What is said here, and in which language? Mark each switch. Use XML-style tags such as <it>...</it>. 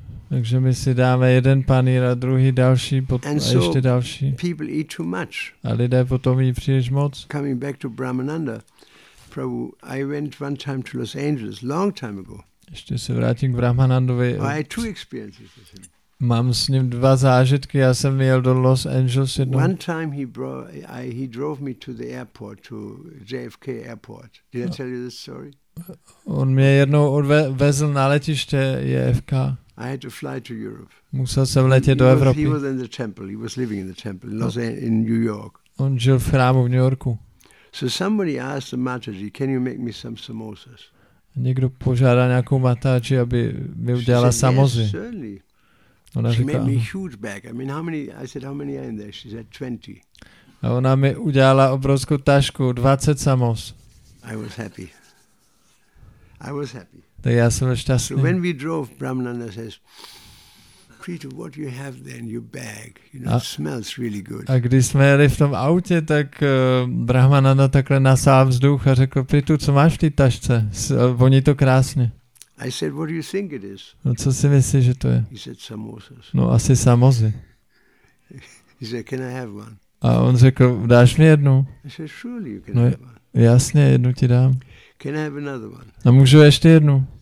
<cs>Takže my si dáme jeden panýr a druhý další a ještě další. A lidé potom jí příliš moc.</cs> <en>Coming back to Brahmananda, Prabhu, I went one time to Los Angeles, long time ago.</en> <cs>Ještě se vrátím k Brahmanandovi.</cs> <en>I two experiences with him.</en> <cs>Mám s ním dva zážitky. Já jsem jel do Los Angeles jednou.</cs> <en>One time he drove me to the airport, to JFK airport. Did I tell you this story?</en> <cs>On mě jednou vezl na letiště JFK.</cs> <en>I had to fly to Europe.</en> <cs>Musel jsem letět do Evropy.</cs> <en>He was in the temple. He was living in the temple in New York.</en> <cs>On žil v chrámu v New Yorku.</cs> <en>So somebody asked the Mataji, "Can you make me some samosas?"</en> <cs>Někdo požádá nějakou Mataji, aby mi udělala samozy. Ona</cs> <en>she</en> <cs>řekla,</cs> <en>made me huge bag. I mean, how many? I said, how many are in there? She said, 20.</en> <cs>A ona mi udělala obrovskou tašku, 20 samos.</cs> <en>I was happy.</en> <cs>Tak já jsem šťastný.</cs> <en>So when we drove, Brahmananda says, Peter, what you have there in your bag? You know, it smells really good.</en> <cs>A když jsme jeli v tom autě, tak Brahmananda takhle nasál vzduch a řekl, Peter, co máš v té tašce? Voní to krásně.</cs> <en>I said, what do you think it is?</en> <cs>No, co si myslíš, že to je?</cs> <en>He said, samosas.</en> <cs>No, asi samozy.</cs> <en>He said, can I have one?</en> <cs>A on řekl, dáš mi jednu?</cs> <en>I said, surely you can have one.</en> <cs>Jasně, jednu ti dám.</cs> <en>Can I have another one?</en> <cs>A můžu ještě jednu?</cs>